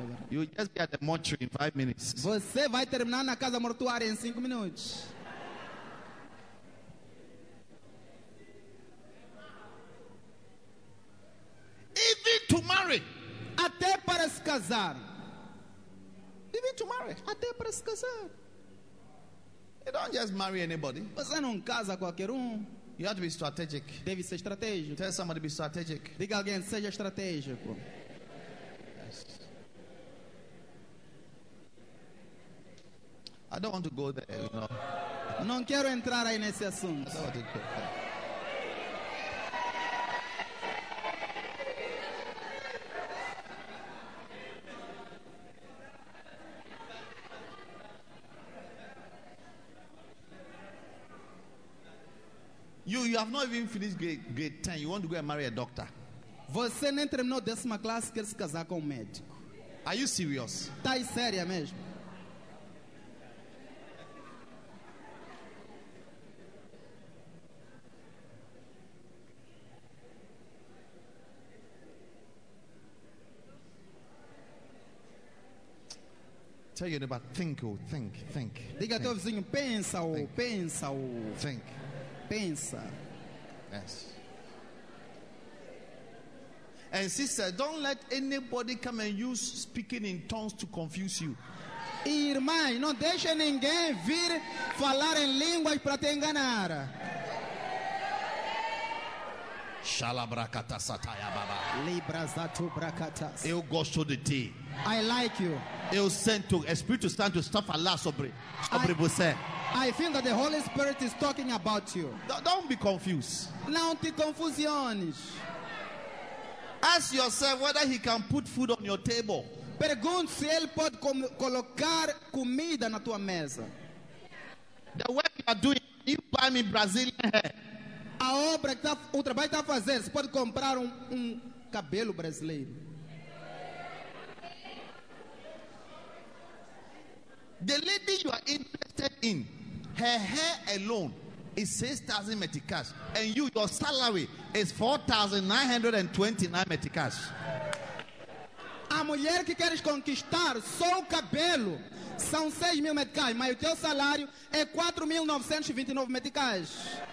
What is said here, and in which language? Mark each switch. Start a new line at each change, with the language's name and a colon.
English: You just be at the mortuary in 5 minutes.
Portuguese: Você vai terminar na casa mortuária em 5 minutos.
English: Even to marry.
Portuguese: Até para se casar.
English: Even to marry.
Portuguese: Até para se casar.
English: You don't just marry anybody.
Portuguese: Você não casa qualquer um.
English: You have to be strategic.
Portuguese: Deve ser estratégico.
English: Tell somebody to be strategic.
Portuguese: Diga alguém, seja estratégico.
English: Yes. I don't want to go there, you know.
Portuguese: Não quero entrar aí nesse assunto.
English: I don't want to go there. You have not even finished grade 10. You want to go and marry a doctor?
Portuguese: Você nem terminou décima classe, quer se casar com médico?
English: Are you serious?
Portuguese: Tá aí séria mesmo?
English: Tell your neighbor, think.
Portuguese: Diga teu vizinho, pensa. Yes.
English: And sister, don't let anybody come and use speaking in tongues to confuse you.
Portuguese: Irmã, não deixe ninguém vir falar em línguas para te enganar. Shalabrakata sataya baba. Libra zatu brakatas. Eu gosto de ti.
English: I like you.
Portuguese: Eu sento espírito santo está falando sobre você.
English: I feel that the Holy Spirit is talking about you. Don't be confused.
Portuguese: Não te confusiones.
English: Ask yourself whether he can put food on your table.
Portuguese: Pergunte se ele pode colocar comida na tua mesa.
English: The work you are doing, you buy me Brazilian hair.
Portuguese: A obra que o trabalho está fazendo, você pode comprar um cabelo brasileiro.
English: The lady you are interested in, her hair alone is 6,000 meticas, and you, your salary is 4,929 meticas.
Portuguese: A mulher que queres conquistar, só o cabelo, são 6,000 meticas, mas o teu salário é 4,929 meticas.